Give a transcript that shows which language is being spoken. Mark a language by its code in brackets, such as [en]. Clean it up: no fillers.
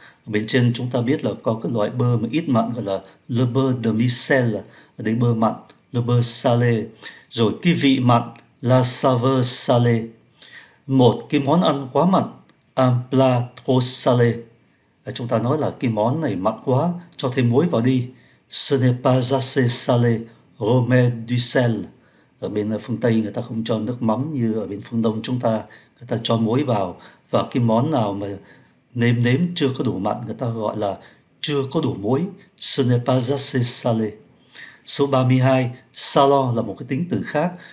[vi] Bên trên chúng ta biết là có cái loại bơ mà ít mặn gọi là [fr] le beurre de micelle, [vi] ở đây bơ mặn, [fr] le beurre salé. [vi] Rồi cái vị mặn, [fr] la saveur salée. [vi] Một cái món ăn quá mặn, [fr] un plat trop salé. [vi] Chúng ta nói là cái món này mặn quá, cho thêm muối vào đi. [fr] Ce n'est pas assez salé, remets du sel. [vi] Ở bên phương Tây người ta không cho nước mắm như ở bên phương Đông chúng ta, người ta cho muối vào. Và cái món nào mà nêm nếm chưa có đủ mặn, người ta gọi là chưa có đủ muối. [fr] Ce n'est pas assez salé. [vi] Số 32, salon là một cái tính từ khác.